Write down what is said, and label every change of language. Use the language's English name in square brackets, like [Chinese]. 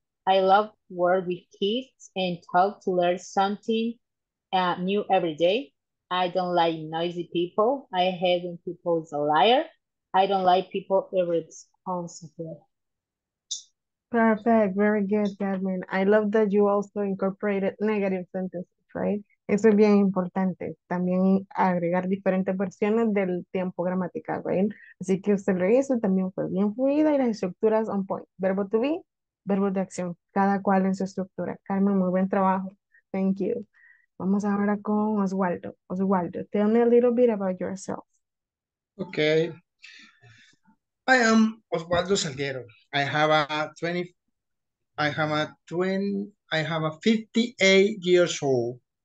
[English] I love work with kids and talk to learn something new every day. I don't like noisy people. I hate when people is a liar. I don't like people irresponsible. Perfect. Very good, Carmen. I love that you also incorporated negative sentences, right? [Spanish] Eso es bien importante. También agregar diferentes versiones del tiempo gramatical, right? Así que usted lo hizo. También fue bien fluida y las estructuras on point. Verbo to be. Verbos de acción, cada cual en su estructura. Carmen, muy buen trabajo. [English] Thank you. [Spanish] Vamos ahora con Oswaldo. [English] Oswaldo, tell me a little bit about yourself. Okay. I am Oswaldo Salguero. I have a 58 years old.